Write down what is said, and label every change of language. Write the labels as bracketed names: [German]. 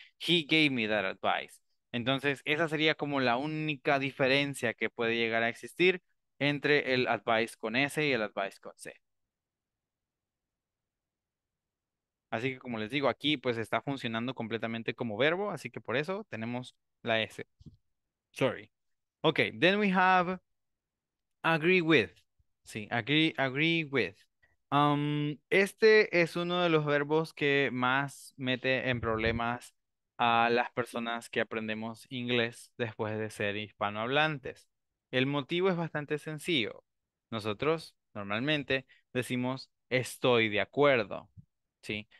[Spanish] He gave me that advice. Entonces, esa sería como la única diferencia que puede llegar a existir entre el advice con S y el advice con C. Así que, como les digo, aquí pues está funcionando completamente como verbo, así que por eso tenemos la S. [English] Sorry. Ok, then we have agree with. Sí, agree with. [Spanish] Este es uno de los verbos que más mete en problemas a las personas que aprendemos inglés después de ser hispanohablantes. El motivo es bastante sencillo. Nosotros normalmente decimos estoy de acuerdo, ¿sí?